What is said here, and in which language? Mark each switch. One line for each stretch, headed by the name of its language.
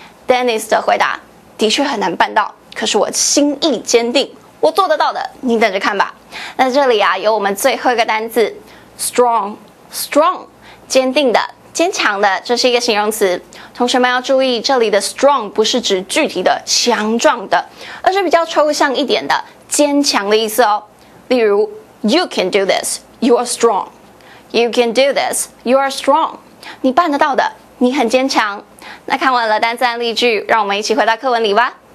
Chinese: Dennis 的回答，的确很难办到，可是我心意坚定，我做得到的，你等着看吧。那这里啊，有我们最后一个单字 strong, strong, 坚定的、坚强的，这是一个形容词。同学们要注意，这里的 strong 不是指具体的、强壮的，而是比较抽象一点的、坚强的意思哦。例如
English: ,you can do this, you are strong. You can do this, you are strong.
Chinese: 你办得到的，你很坚强。那看完了单字案例句，让我们一起回到课文里吧。